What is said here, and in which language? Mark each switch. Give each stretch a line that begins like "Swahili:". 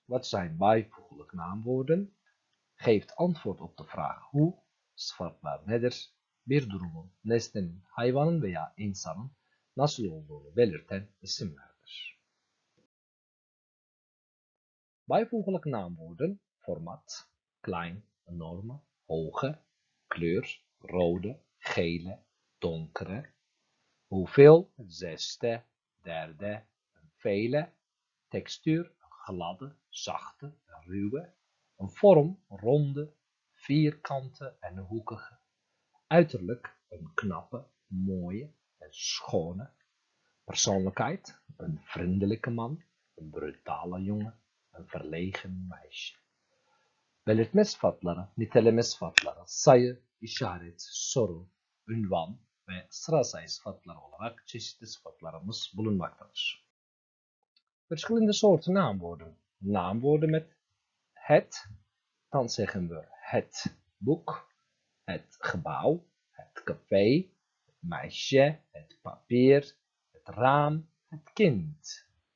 Dutch: Wat zijn bijvoeglijk naamwoorden? Geeft antwoord op de vraag hoe,
Turkish: sıfatlar nedir? Bir durumun, nesnenin, hayvanın veya insanın nasıl olduğunu belirten isimlerdir.
Dutch: Bijvoeglijk naamwoorden: format, klein, enorme, hoge, kleur, rode, gele, donkere. Hoeveel, zesde, derde, vele. Textuur, gladde, zachte, ruwe. Een vorm, ronde, vierkante en hoekige. Uiterlijk, een knappe, mooie en schone. Persoonlijkheid, een vriendelijke man, een brutale jongen, een verlegen meisje.
Turkish: Belirtme sıfatları, niteleme sıfatları, sayı, işaret, soru, ünvan ve sıra sayı sıfatları olarak çeşitli sıfatlarımız bulunmaktadır.
Dutch: Verschillende soorten naamwoorden. Naamwoorden met het, dan zeggen we het boek, het gebouw, het café, meisje, het papier, het raam, het kind.